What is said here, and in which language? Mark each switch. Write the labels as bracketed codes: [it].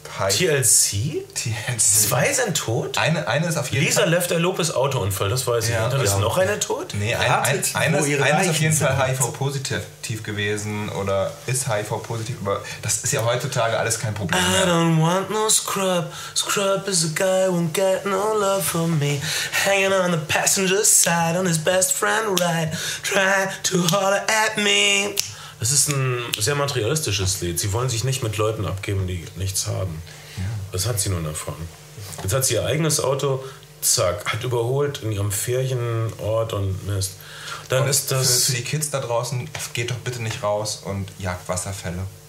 [de] TLC? Zwei sind tot? Eine ist auf jeden Fall... Lisa Left Lopez Autounfall, das weiß ich. Ja, ist noch eine tot? Nee, eine ist auf jeden Fall HIV-positiv gewesen oder ist HIV-positiv, aber das ist ja heutzutage alles kein Problem mehr. [en] I don't want no scrub. Scrub is a guy who won't get no love from me. Hanging on the passenger side on his best friend ride. Try to holler at me. [de] Es ist ein sehr materialistisches Lied. Sie wollen sich nicht mit Leuten abgeben, die nichts haben. Ja. Das hat sie nun davon. Jetzt hat sie ihr eigenes Auto, zack, hat überholt in ihrem Ferienort und Mist. Dann und ist das. Für die Kids da draußen, geht doch bitte nicht raus und jagt Wasserfälle.